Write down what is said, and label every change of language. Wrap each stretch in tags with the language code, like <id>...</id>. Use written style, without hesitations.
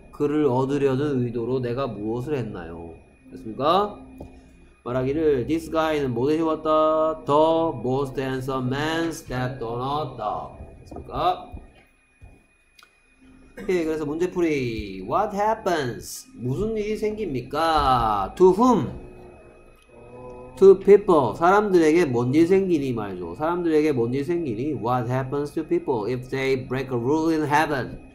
<ko>그를 얻으려는 의도로 내가 무엇을 했나요? 됐습니까? 말하기를,</ko> <en>This guy</en> <ko>는 뭐를 해왔다?</ko> <en>The most handsome man stepped on a dog.</en> <ko>됐습니까? 오케이, 그래서 문제풀이.</ko> <en>What happens?</en> <ko>무슨 일이 생깁니까?</ko> <en>To whom? To people,</en> <ko>사람들에게 뭔 일 생기니 말이죠. 사람들에게 뭔 일 생기니?</ko> <en>What happens to people if they break a rule in heaven?</en>